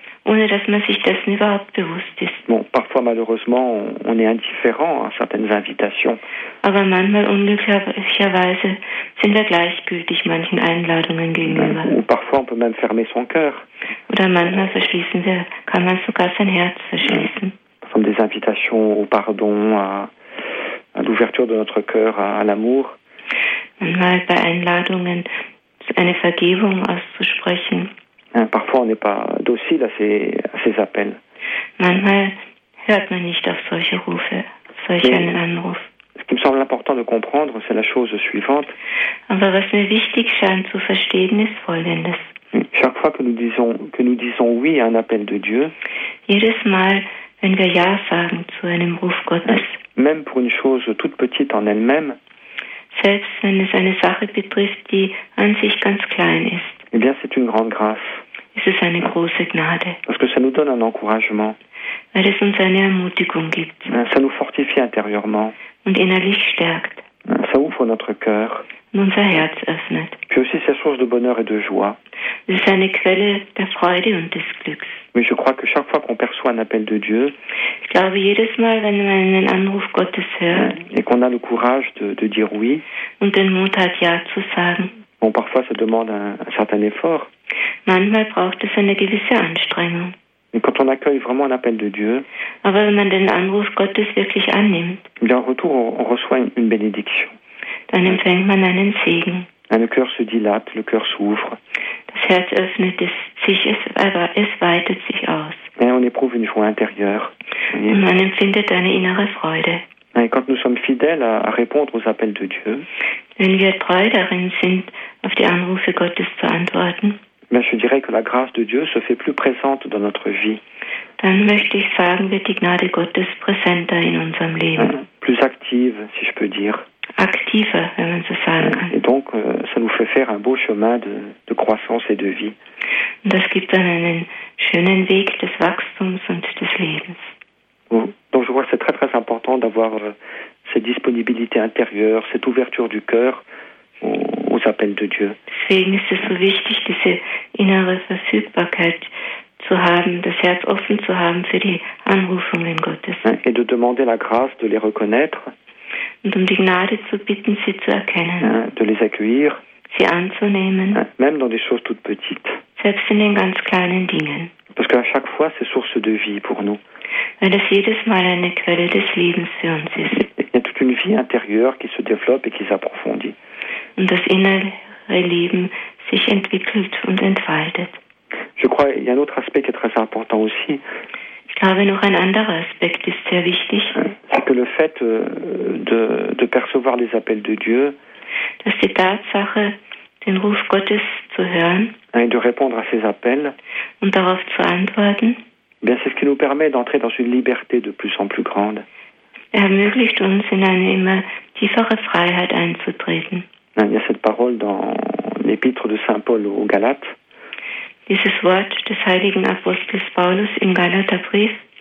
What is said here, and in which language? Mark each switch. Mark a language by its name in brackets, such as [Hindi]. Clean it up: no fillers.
[German] Ohne dass man sich dessen überhaupt bewusst ist. [French] Bon, parfois malheureusement, on est indifférent à certaines invitations. [German] Aber manchmal unglücklicherweise sind wir gleichgültig manchen Einladungen gegenüber. [French] Ou parfois on peut même fermer son cœur. [German] Oder manchmal kann man sogar sein Herz verschließen. [French] Ce sont des invitations au pardon, à l'ouverture de notre cœur à l'amour. [German] Manchmal bei Einladungen eine Vergebung auszusprechen. [French] Parfois on n'est pas docile à ces appels. [German] Manchmal hört man nicht auf solche Rufe, einen Anruf. [French] Ce qui me semble important de comprendre, c'est la chose suivante. [German] Aber was mir wichtig scheint zu verstehen, ist Folgendes. [French] Chaque fois que nous disons oui à un appel de Dieu, [German] jedes Mal, wenn wir Ja sagen zu einem Ruf Gottes, [French] même pour une chose toute petite en elle-même, [German] selbst wenn es eine Sache betrifft, die an sich ganz klein ist, [French] eh bien, c'est une grande grâce. [German] Es ist eine große Gnade. [French] Parce que ça nous donne un encouragement. [German] Weil es uns eine Ermutigung gibt. [French] Ça nous fortifie intérieurement. [German] Und innerlich stärkt. [French] Ça ouvre notre cœur. [German] Und unser Herz öffnet. [French] Puis aussi, c'est source de bonheur et de joie. [German] Es ist eine Quelle der Freude und des Glücks. [French] Mais je crois que chaque fois qu'on perçoit un appel de Dieu, [German] ich glaube, jedes Mal, wenn man einen Anruf Gottes hört, [French] et qu'on a le courage de dire oui, [German] und den Mut hat, ja zu sagen, [French] bon, parfois ça demande un certain effort. [German] Manchmal braucht es eine gewisse Anstrengung. [French] Mais quand on accueille vraiment un appel de Dieu, [German] aber wenn man den Anruf Gottes wirklich annimmt, [French] bien, en retour, on reçoit une bénédiction. [German] Dann empfängt man einen Segen. [French] Le cœur se dilate, le cœur s'ouvre. [German] Das Herz öffnet sich, es weitet sich aus. [French] Et on éprouve une joie intérieure. [German] Und man empfindet eine innere Freude. [French] Et quand nous sommes fidèles à répondre aux appels de Dieu, [German] wenn wir treu darin sind, auf die Anrufe Gottes zu antworten, [French] ben je dirais que la grâce de Dieu se fait plus présente dans notre vie. [German] Dann möchte ich sagen, wird die Gnade Gottes präsenter in unserem Leben. [French] Plus active, si je peux dire. [German] Aktiver, wenn man so sagen kann. [French] Et donc, ça nous fait faire un beau chemin de croissance et de vie. [German] Und das gibt dann einen schönen Weg des Wachstums und des Lebens. [French] Donc je vois que c'est très très important d'avoir cette disponibilité intérieure, cette ouverture du cœur aux appels de Dieu. [German] Deswegen ist es so wichtig, diese innere Verfügbarkeit zu haben, das Herz offen zu haben für die Anrufungen Gottes. [French] Et de demander la grâce de les reconnaître. [German] Und um die Gnade zu bitten, sie zu erkennen. [French] De les accueillir. [German] Sie anzunehmen. [French] Même dans des choses toutes petites. [German] Selbst in den ganz kleinen Dingen. [French] Parce qu'à chaque fois, c'est source de vie pour nous. [German] Weil es jedes Mal eine Quelle des Lebens für uns ist. [French] Il y a toute une vie intérieure qui se développe et qui s'approfondit. [German] Und das innere Leben sich entwickelt und entfaltet. [French] Je crois qu'il y a un autre aspect qui est très important aussi. [German] Ich aber noch ein anderer Aspekt ist sehr wichtig. [French] C'est que le fait de percevoir les appels de Dieu, [German] dass die Tatsache, den Ruf Gottes zu hören, [French] et de répondre à ses appels, [German] und darauf zu antworten, [French] bien c'est ce qui nous permet d'entrer dans une liberté de plus en plus grande. [German] Ermöglicht uns, in eine immer tiefere Freiheit einzutreten. [French] Il y a cette parole dans l'épître de Saint Paul aux Galates. [German] Dieses Wort des heiligen Apostels Paulus im Galaterbrief.